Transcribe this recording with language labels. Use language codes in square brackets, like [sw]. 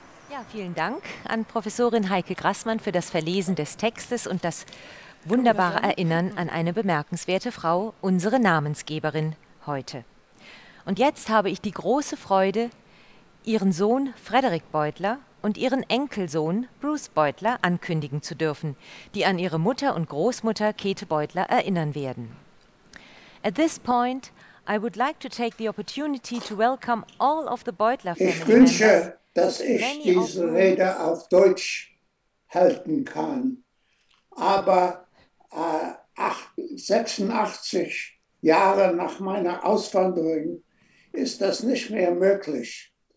[de] Ja, vielen Dank an Professorin Heike Grassmann für das Verlesen des Textes und das wunderbare Erinnern an eine bemerkenswerte Frau, unsere Namensgeberin heute. Und jetzt habe ich die große Freude, ihren Sohn Frederik Beutler und ihren Enkelsohn Bruce Beutler ankündigen zu dürfen, die an ihre Mutter und Großmutter Käthe Beutler erinnern werden. [en] At this point, I would like to take the opportunity to welcome all of the Beutler family. [de] Ich wünsche, dass ich diese Rede auf Deutsch halten kann, aber 86 Jahre nach meiner Auswanderung ist das nicht mehr möglich.